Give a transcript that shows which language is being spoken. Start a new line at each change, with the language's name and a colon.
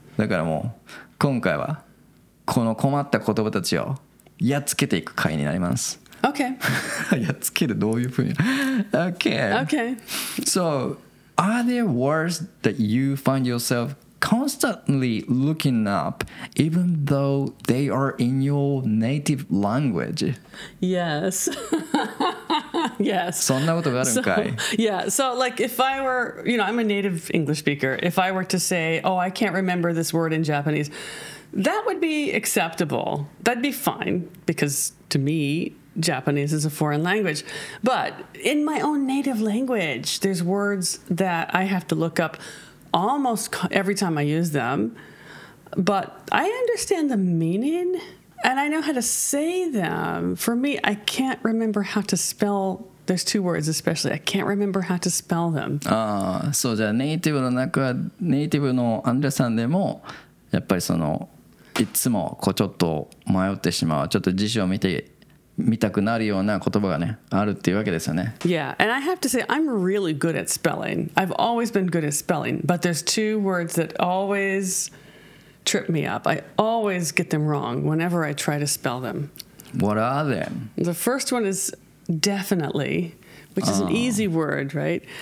Japanese: だからもう今回はこの困った言葉たちをやっつけていく回になります。
English: Okay.
Japanese: やっつけるどういうふうに Okay.
English: So, are there words that you find yourself constantly looking up even though they are in your native language? Yes. Yes.
Japanese: そんなことがあるんかい?
English: Yeah, so like if I were, you know, I'm a native English speaker. If I were to say, oh, I can't remember this word in Japanese, that would be acceptable. That'd be fine because to me, Japanese is a foreign language. But in my own native language, there's words that I have to look up almost every time I use them. But I understand the meaning. And I know how to say them. For me, I can't remember how to spell. There's two words, especially. I can't remember how to spell them.
Japanese: Ah, so じゃあネイティブの中、ネイティブのアンデさんでも、やっぱりそのいつもこうちょっと迷ってしまう、ちょっと辞書を見たくなるような言葉がね、あるっていうわけですよね。
English: Yeah, and I have to say, I'm really good at spelling. I've always been good at spelling. But there's two words that always... trip me up. I always get them wrong whenever I try to spell them. What are them? The first one is definitely, which is an easy word, right?